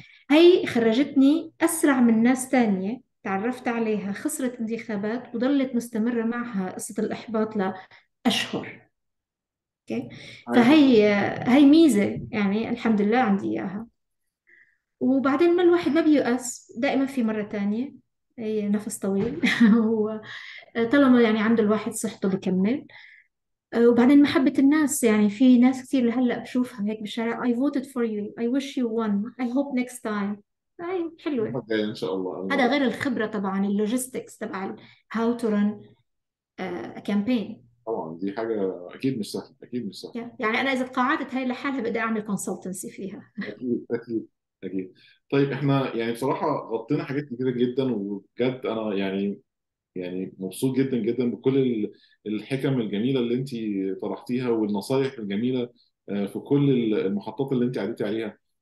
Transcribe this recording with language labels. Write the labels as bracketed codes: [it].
[ar] هي خرجتني اسرع من ناس تانية تعرفت عليها خسرت انتخابات وظلت مستمره معها قصه الاحباط لاشهر. اوكي فهي هي ميزه يعني الحمد لله عندي اياها. وبعدين ما الواحد ما بيؤس، دائما في مرة تانية، أي نفس طويل هو طالما يعني عنده الواحد صحته بكمل. وبعدين محبة الناس، يعني في ناس كثير لهلأ بشوفها هيك بالشارع، [en] I voted for you, I wish you won, I hope next time. [ar] أي حلوة، اوكي ان شاء الله. هذا غير الخبرة طبعا اللوجيستكس تبع [en] how to run a campaign. [ar] طبعا دي حاجة أكيد مش سهلة، أكيد مش سهلة، يعني أنا إذا تقاعدت هاي لحالها بدي أعمل consultancy فيها. أكيد أكيد أكيد. طيب إحنا يعني بصراحة غطينا حاجات كتيرة جدا، وبجد أنا يعني مبسوط جدا جدا بكل الحكم الجميلة اللي أنت طرحتيها، والنصايح الجميلة في كل المحطات اللي أنت عديتي عليها.